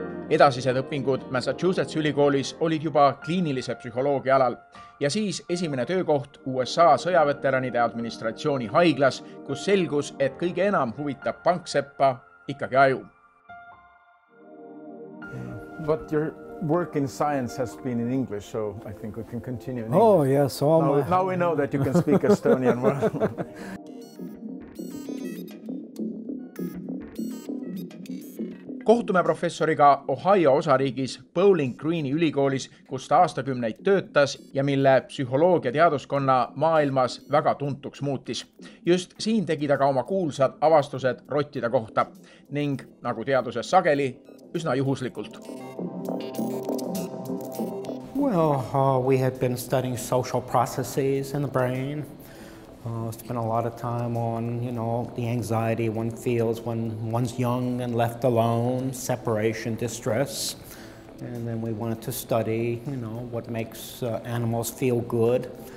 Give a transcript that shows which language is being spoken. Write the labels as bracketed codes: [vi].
[et] Edasised õpingud Massachusetts ülikoolis olid juba kliinilise psühholoogi alal. Ja siis esimene töökoht USA sõjaveteranide administratsiooni haiglas, kus selgus, et kõige enam huvitab Panksepa ikkagi aju. [en] But your work in science has been in English, so I think we can continue in English. Oh, yes. Now, now we know that you can speak Estonian. [et] Kohtume professoriga Ohio osariigis Bowling Greeni ülikoolis, kus ta aastakümneid töötas ja mille psühholoogia teaduskonna maailmas väga tuntuks muutis. Just siin tegi ta ka oma kuulsad avastused rottide kohta ning, nagu teaduses sageli, üsna juhuslikult. [en] Well, we had been studying social processes in the brain. Spent a lot of time on, you know, the anxiety one feels when one's young and left alone, separation, distress. And then we wanted to study, you know, what makes animals feel good.